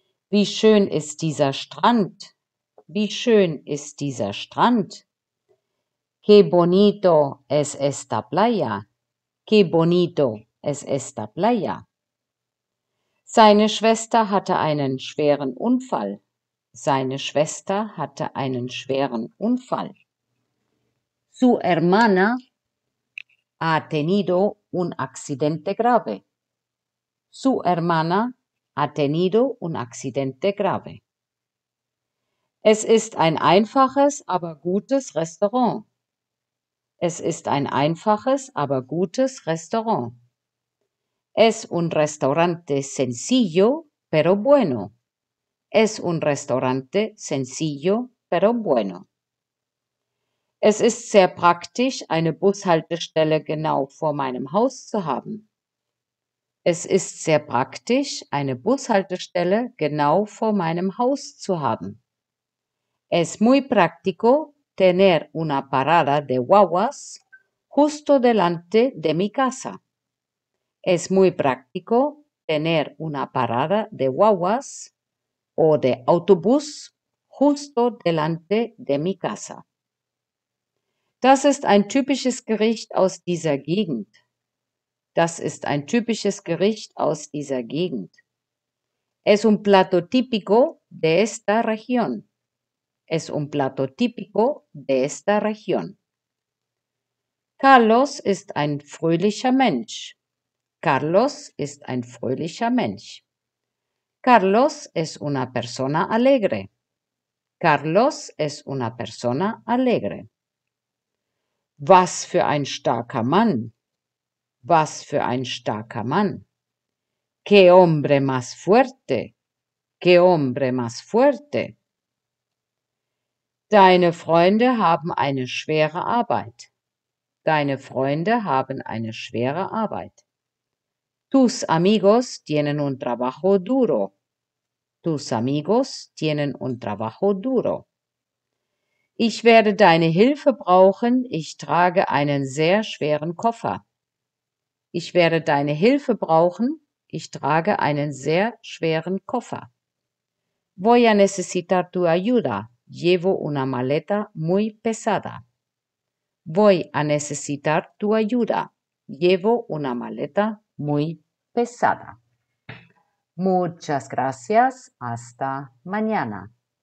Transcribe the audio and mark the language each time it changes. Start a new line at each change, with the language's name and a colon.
German: Wie schön ist dieser Strand? Wie schön ist dieser Strand?
Spanish: Qué bonito es esta playa. Qué bonito es esta playa.
German: Seine Schwester hatte einen schweren Unfall. Seine Schwester hatte einen schweren Unfall.
Spanish: Su hermana ha tenido un accidente grave. Su hermana ha tenido un accidente grave.
German: Es ist ein einfaches, aber gutes Restaurant. Es ist ein einfaches, aber gutes Restaurant.
Spanish: Es un restaurante sencillo, pero bueno. Es un restaurante sencillo, pero bueno.
German: Es ist sehr praktisch, eine Bushaltestelle genau vor meinem Haus zu haben. Es ist sehr praktisch, eine Bushaltestelle genau vor meinem Haus zu haben.
Spanish: Es muy práctico tener una parada de guaguas justo delante de mi casa. Es muy práctico tener una parada de guaguas o de autobús justo delante de mi casa.
German: Das ist ein typisches Gericht aus dieser Gegend. Das ist ein typisches Gericht aus dieser Gegend.
Spanish: Es un plato típico de esta región. Es un plato típico de esta región.
German: Carlos ist ein fröhlicher Mensch. Carlos ist ein fröhlicher Mensch.
Spanish: Carlos es una persona alegre. Carlos es una persona alegre.
German: Was für ein starker Mann! Was für ein starker Mann.
Spanish: Qué hombre más fuerte. Qué hombre más fuerte.
German: Deine Freunde haben eine schwere Arbeit. Deine Freunde haben eine schwere Arbeit.
Spanish: Tus amigos tienen un trabajo duro. Tus amigos tienen un trabajo duro.
German: Ich werde deine Hilfe brauchen. Ich trage einen sehr schweren Koffer. Ich werde deine Hilfe brauchen. Ich trage einen sehr schweren Koffer.
Spanish: Voy a necesitar tu ayuda. Llevo una maleta muy pesada. Voy a necesitar tu ayuda. Llevo una maleta muy pesada. Muchas gracias. Hasta mañana.